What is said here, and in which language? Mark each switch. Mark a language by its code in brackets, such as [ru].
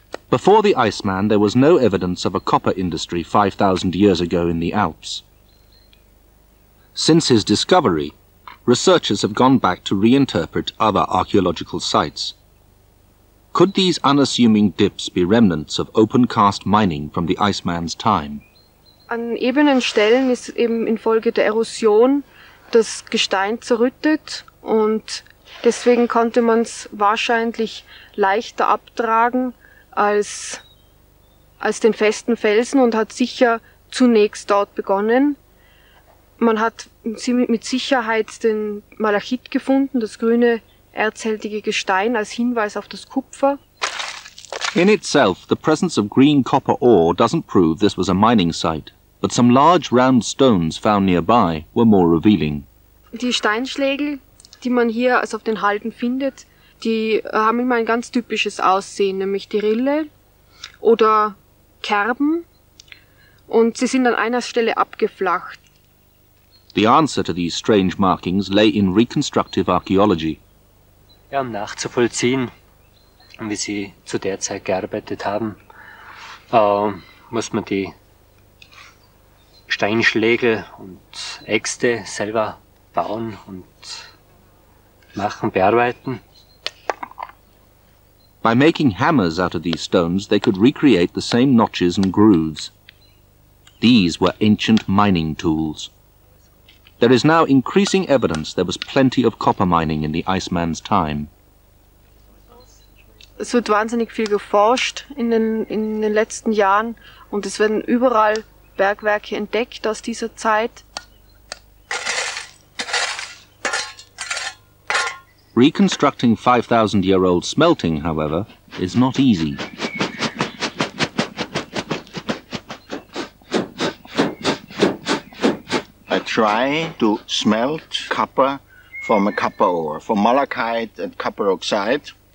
[en] Before the Iceman, there was no evidence of a copper industry 5,000 years ago in the Alps. Since his discovery, researchers have gone back to reinterpret other archaeological sites. Could these unassuming dips be remnants of open cast mining from the Iceman's time? [de] An ebenen Stellen ist eben infolge der Erosion das Gestein zerrüttet und deswegen konnte man es wahrscheinlich leichter abtragen als den festen Felsen und hat sicher zunächst dort begonnen. Man hat mit Sicherheit den Malachit gefunden, das grüne erzhältige Gestein, als Hinweis auf das Kupfer. [en] In itself, the presence of green copper ore doesn't prove this was a mining site, but some large round stones found nearby were more revealing. [de] Die Steinschlägel, die man hier also auf den Halden findet, die haben immer ein ganz typisches Aussehen, nämlich die Rille oder Kerben, und sie sind an einer Stelle abgeflacht. [en] The answer to these strange markings lay in reconstructive archaeology. [de] Ja, um nachzuvollziehen, wie sie zu der Zeit gearbeitet haben, muss man die Steinschlägel und Äxte selber bauen und machen, bearbeiten. [en] By making hammers out of these stones, they could recreate the same notches and grooves. These were ancient mining tools. There is now increasing evidence there was plenty of copper mining in the Iceman's time. [de] Es wird wahnsinnig viel geforscht in den letzten Jahren und es werden überall Bergwerke entdeckt aus dieser Zeit. [en] Reconstructing 5,000-year-old smelting, however, is not easy. I try to smelt copper from a copper ore, from malachite and copper oxide.